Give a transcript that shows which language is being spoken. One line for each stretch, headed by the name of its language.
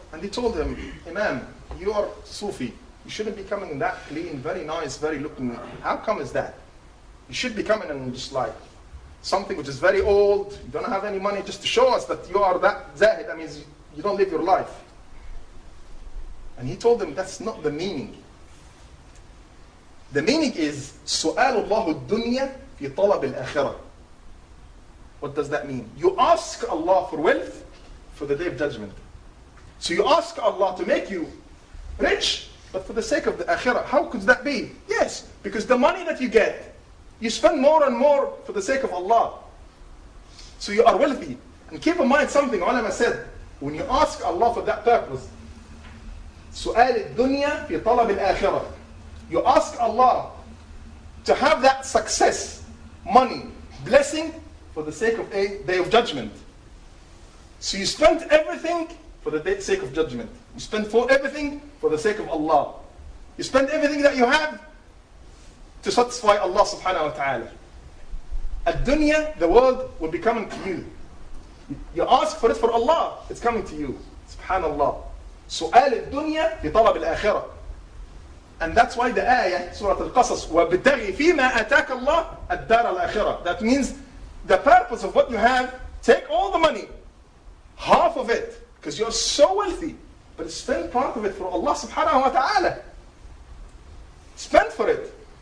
English: And he told him, Imam, you are Sufi. You shouldn't be coming in that clean, very nice, very looking. How come is that? You should be coming in just like something which is very old. You don't have any money, just to show us that you are that zahid. That means you don't live your life. And he told them, that's not the meaning. The meaning is,
Arabic: سؤال الله الدنيا في طلب الآخرة.
English: What does that mean? You ask Allah for wealth for the day of judgment. So you ask Allah to make you rich, but for the sake of the akhirah. How could that be? Yes, because the money that you get, you spend more and more for the sake of Allah. So you are wealthy. And keep in mind something, ulama said, when you ask Allah for that purpose,
Arabic: سؤال الدنيا في طلب الآخرة.
English: You ask Allah to have that success, money, blessing, for the sake of a day of judgment. So you spent everything for the sake of judgment. You spent for everything for the sake of Allah. You spend everything that you have to satisfy Allah subhanahu wa ta'ala. Al-dunya, the world, will be coming to you. You ask for it for Allah, it's coming to you. Subhanallah.
Arabic: سؤال الدنيا لطلب الآخرة.
English: And that's why the ayah, Surah Al-Qasas,
Arabic: وَبِدَّغِي فِيمَا أَتَاكَ اللَّهِ الدَّارَ الْآخِرَةِ.
English: That means the purpose of what you have, take all the money, half of it, because you're so wealthy, but spend part of it for Allah subhanahu wa ta'ala. Spend for it.